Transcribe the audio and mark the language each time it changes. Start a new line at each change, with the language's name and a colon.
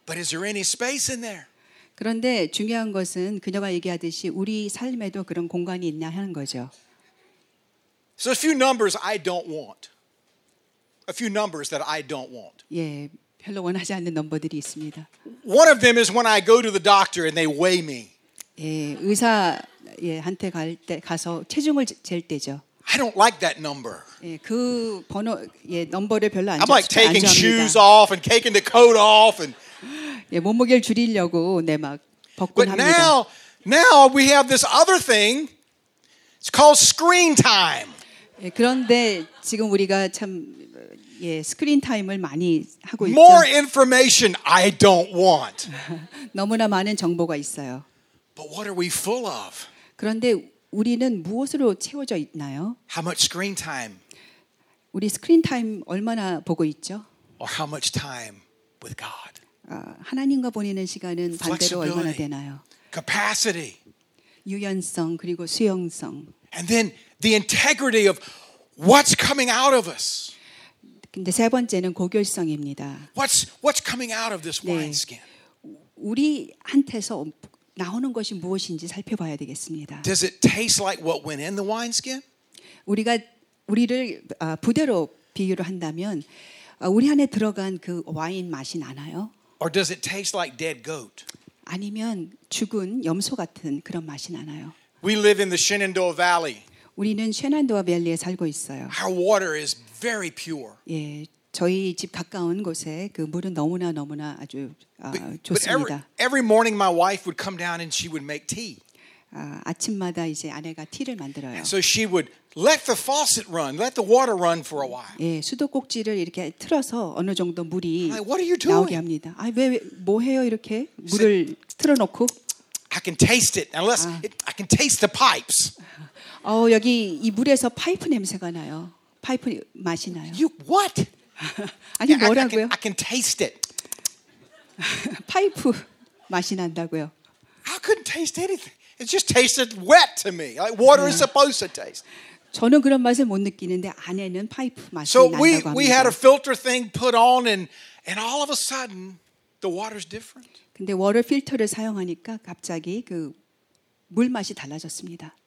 English: But is there any space in there?
Korean: 그런데 중요한 것은 그녀가 얘기하듯이 우리 삶에도 그런 공간이 있냐 하는 거죠.
English: So a few numbers I don't want. A few numbers that I don't want.
Korean: 예, 별로 원하지 않는 넘버들이 있습니다.
English: One of them is when I go to the doctor and they weigh me.
Korean: 예, 의사한테 갈 때 가서 체중을 잴 때죠.
English: I don't like that number.
Korean: 예, 그 번호 예, 넘버를 별로 안 좋아합니다.
English: I'm like taking shoes off and taking the coat off and
Korean: 예, 몸무게를 줄이려고 네, 막 벗곤 합니다.
English: But now we have this other thing. It's called screen time.
Korean: 예, 그런데 지금 우리가 참 예, 스크린 타임을 많이 하고 있죠.
English: More information I don't want.
Korean: 너무나 많은 정보가 있어요.
English: But what are we full of?
Korean: 그런데 우리는 무엇으로 채워져 있나요?
English: How much screen time?
Korean: 우리 스크린 타임 얼마나 보고 있죠?
English: Or how much time with God?
Korean: 하나님과 보내는 시간은 반대로 얼마나 되나요?
English: Capacity.
Korean: 유연성 그리고 수용성.
English: And then the integrity of what's coming out of us.
Korean: 근데 세 번째는 고결성입니다.
English: What's coming out of this wineskin?
Korean: 네. 우리한테서 나오는 것이 무엇인지 살펴봐야 되겠습니다.
English: Does it taste like what went in the wineskin?
Korean: 우리가 우리를 부대로 비유를 한다면 우리 안에 들어간 그 와인 맛이 나나요?
English: Or does it taste like dead goat?
Korean: 아니면 죽은 염소 같은 그런 맛이 나나요?
English: We live in the Shenandoah Valley.
Korean: 우리는 셰난도아 밸리에 살고 있어요.
English: Our water is very pure.
Korean: 예, 저희 집 가까운 곳에 그 물은 너무나 너무나 아주 좋습니다.
English: Every morning my wife would come down and she would make tea.
Korean: 아침마다 이제 아내가 티를 만들어요.
English: So she would let the faucet run, let the water run for a while.
Korean: 예, 수도꼭지를 이렇게 틀어서 어느 정도 물이 나오게 합니다. 아, 왜 뭐 해요 이렇게 물을 틀어 놓고?
English: I can taste it. Unless I can taste the pipes.
Korean: 어, 여기 이 물에서 파이프 냄새가 나요. 파이프 맛이 나요.
English: You what?
Korean: 아니 뭐라고요?
English: I can taste it.
Korean: 파이프 맛이 난다고요.
English: I couldn't taste anything. It just tasted wet to me, like water is supposed to taste.
Korean: 저는 그런 맛을 못 느끼는데 안에는 파이프 맛이 난다고 합니다.
English: So we had a filter thing put on, and all of a sudden the water's different.
Korean: 근데 워터 필터를 사용하니까 갑자기 그 물 맛이 달라졌습니다.